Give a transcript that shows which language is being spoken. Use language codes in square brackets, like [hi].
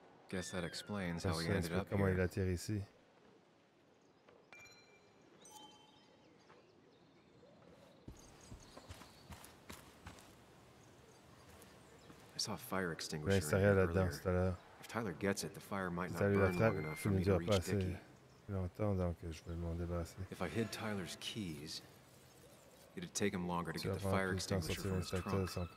[en] Guess that explains how he ended up here. saw a fire extinguisher earlier. If Tyler gets it, the fire might not burn long enough for me to reach Dickie. [fr] Donc je vais m'en débarrasser. [en] If I hid Tyler's keys, it'd take him longer to get the fire extinguisher from his trunk.